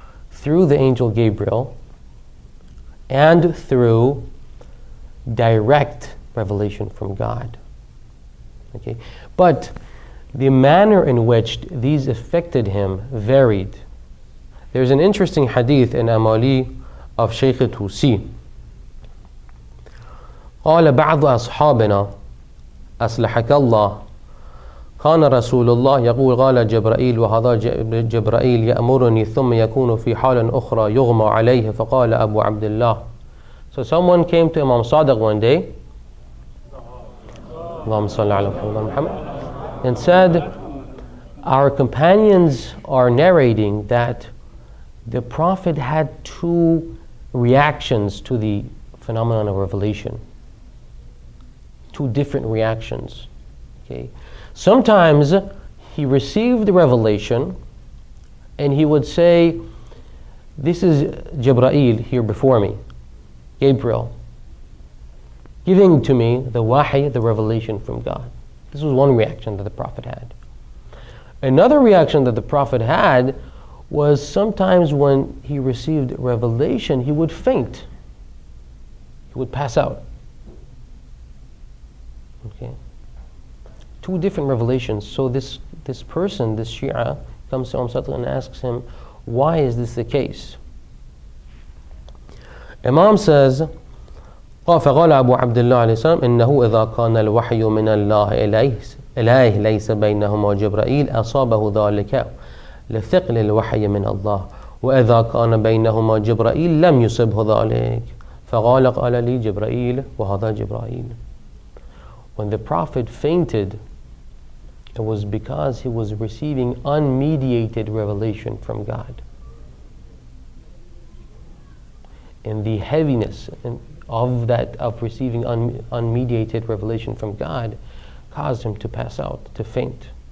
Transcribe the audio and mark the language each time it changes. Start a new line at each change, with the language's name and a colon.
English: Through the angel Gabriel and through direct revelation from God. Okay. But the manner in which these affected him varied. There's an interesting hadith in Amali of Shaykh Tusi.
Arabic: قال بعض أصحابنا أصلحك الله كان رسول الله يقول قال جبرائيل وهذا جبرائيل يأمرني ثم يكون في حال أخرى يغمى عليه فقال أبو عبد الله.
English: So someone came to Imam Sadiq one day,
Arabic: اللهم صل على محمد,
English: and said, our companions are narrating that the Prophet had two reactions to the phenomenon of revelation. Two different reactions. Okay. Sometimes he received the revelation and he would say, this is Jibreel here before me, Gabriel, giving to me the wahi, the revelation from God. This was one reaction that the Prophet had. Another reaction that the Prophet had was sometimes when he received revelation, he would faint. He would pass out. Okay. Two different revelations. So this person, this Shia, comes to Imam Sadiq and asks him, why is this the case? Imam says,
Arabic: فقال أبو عبد الله عليه السلام إنه إذا كان الوحي من الله إليه ليس بينهما جبرائيل أصابه ذلك لثقل الوحي من الله وإذا كان بينهما جبرائيل لم يصبه ذلك فقال قال لي جبرائيل وهذا جبرائيل.
English: When the Prophet fainted, it was because he was receiving unmediated revelation from God. And the heaviness of receiving unmediated revelation from God caused him to pass out, to faint.